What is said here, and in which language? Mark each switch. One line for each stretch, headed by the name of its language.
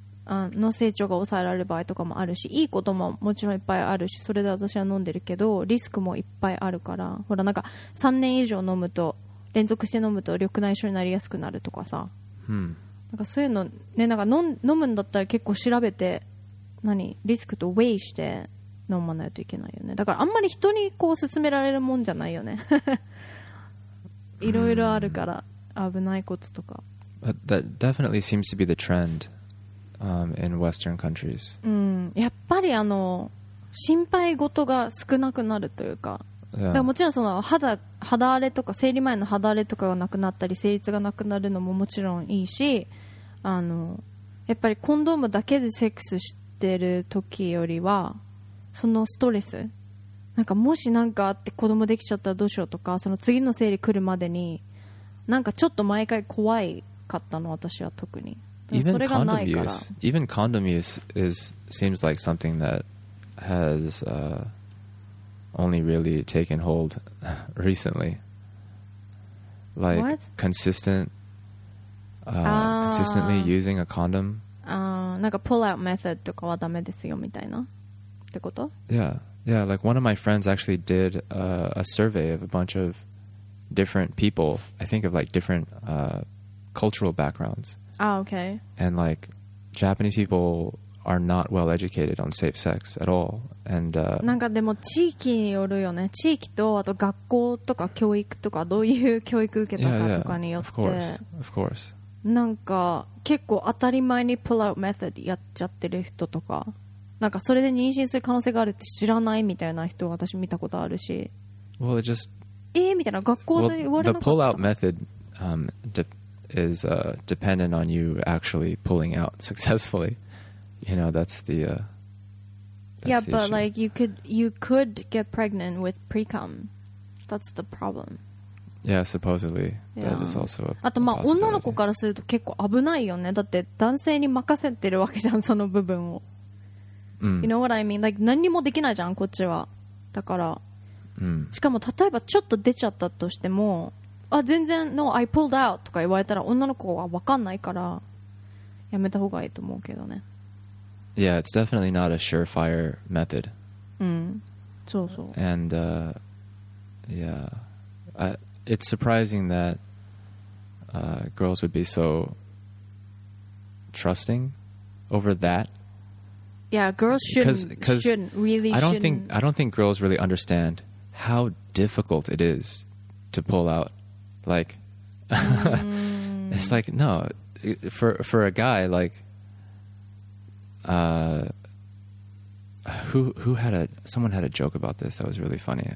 Japanese: の成長が抑えられる場合とかもあるし、いいことももちろんいっぱいあるし、それで私は飲んでるけど、リスクもいっぱいあるから、ほらなんか3年以上飲むと、連続して飲むと緑内障になりやすくなるとかさ、なんかそういうのね、なんか飲むんだったら結構調べて、何リスクとウェイして飲まないといけないよね。だからあんまり人にこう勧められるもんじゃないよね。いろいろあるから、危ないこととか。
English: But that definitely seems to be the trendin Western countries.
Japanese: やっぱりあの心配事が少なくなるというか、
English: yeah.
Japanese: だからもちろんその 肌荒れとか生理前の肌荒れとかがなくなったり、生理痛がなくなるのももちろんいいし、あのやっぱりコンドームだけでセックスしてる時よりはそのストレス、なんかもしなんかあって子供できちゃったらどうしようとか、その次の生理来るまでになんかちょっと毎回怖いかったの、私は特に。
English: Even condom use is seems like something that has only really taken hold recently. Like what? consistently using a condom.
Japanese: なんか pull out method とかはダメですよみたいなってこと?
English: Yeah. Like one of my friends actually did a survey of a bunch of different people. I think of like different cultural backgrounds. Oh, okay. And like, Japanese people are not well educated on safe sex at all. And,
Japanese: なんかでも地域によるよね。地域とあと学校とか教育とか、どういう教育受けたかとかによって。
English: Yeah, yeah. Of course.
Japanese: なんか結構当たり前に pull out method やっちゃってる人とか、なんかそれで妊娠する可能性があるって知らないみたいな人を私見たことあるし。
English: Well, it just...
Japanese: みたいな、学校で言われなかった。
English: The pull out method, is dependent on you actually pulling out successfully. You know, that's the that's yeah, the but issue. Like you could get pregnant with pre-cum. That's the problem. Yeah, supposedly. Yeah. That is also a
Japanese: あとまあ女の子からすると結構危ないよね。だって男性に任せてるわけじゃん、その部分を。
English: You know what I mean? Like
Japanese: 何にもできないじゃん、こっちは。だから。しかも例えばちょっと出ちゃったとしても、あ全然
English: No, I pulled out
Japanese: とか言われたら女の子は分かんないからやめた方がいいと思うけどね。
English: Yeah, it's definitely not a surefire method.
Japanese: そうそう。
English: And yeah, it's surprising that girls would be so trusting over that. Yeah, girls I don't think girls really understand how difficult it is to pull outLike, it's like, no, for a guy, like, someone had a joke about this that was really funny.